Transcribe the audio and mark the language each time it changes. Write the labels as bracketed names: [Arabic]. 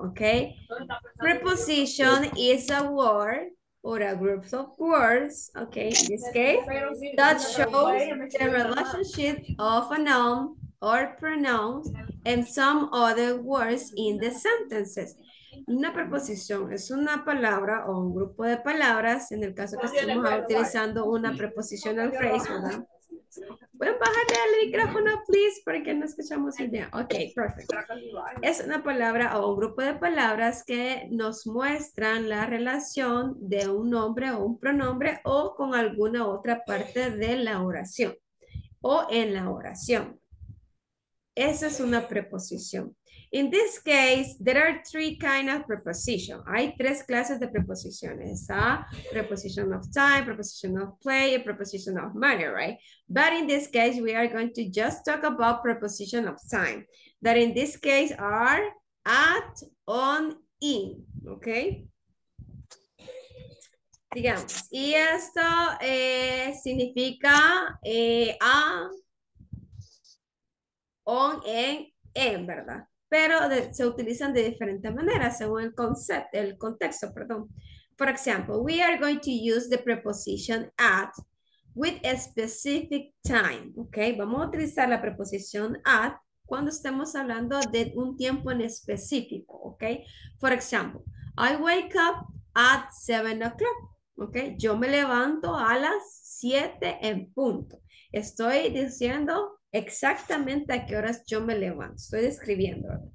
[English] Okay, preposition is a word or a group of words, okay, in this case, that shows the relationship of a noun or pronoun and some other words in the sentences. [Spanish] Una preposición es una palabra o un grupo de palabras, en el caso que estemos utilizando una prepositional phrase, ¿verdad? ¿Pueden bajarle el micrófono, please, para que no escuchamos el video? Ok, perfecto. Es una palabra o un grupo de palabras que nos muestran la relación de un nombre o un pronombre o con alguna otra parte de la oración o en la oración. Esa es una preposición. [English] In this case, there are three kinds of preposition. [Spanish] Hay tres clases de preposiciones. [English] Preposition of time, preposition of play, and preposition of manner, right? But in this case, we are going to just talk about preposition of time. That in this case are at, on, in, okay? [Spanish] Digamos, y esto significa a, on, en, ¿verdad? Pero se utilizan de diferente manera según el concepto, el contexto, perdón. [English] For example, we are going to use the preposition at with a specific time, ¿ok? [Spanish] Vamos a utilizar la preposición at cuando estemos hablando de un tiempo en específico, ¿ok? [English] For example, I wake up at 7 o'clock, ¿ok? [Spanish] Yo me levanto a las 7 en punto. Estoy diciendo exactamente a qué horas yo me levanto. Estoy describiendo.